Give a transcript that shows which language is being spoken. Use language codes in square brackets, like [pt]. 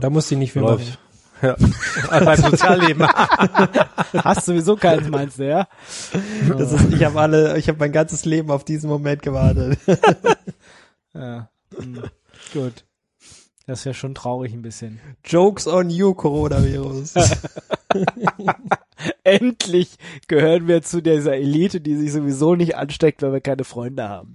[de] Da muss ich nicht viel läuft. Machen. Ja. Mein Sozialleben. Hast sowieso keins, meinst du, ja? Das ist, ich habe mein ganzes Leben auf diesen Moment gewartet. Ja. Gut. Das ist ja schon traurig ein bisschen. [en] Jokes on you, Coronavirus. [de] Endlich gehören wir zu dieser Elite, die sich sowieso nicht ansteckt, weil wir keine Freunde haben.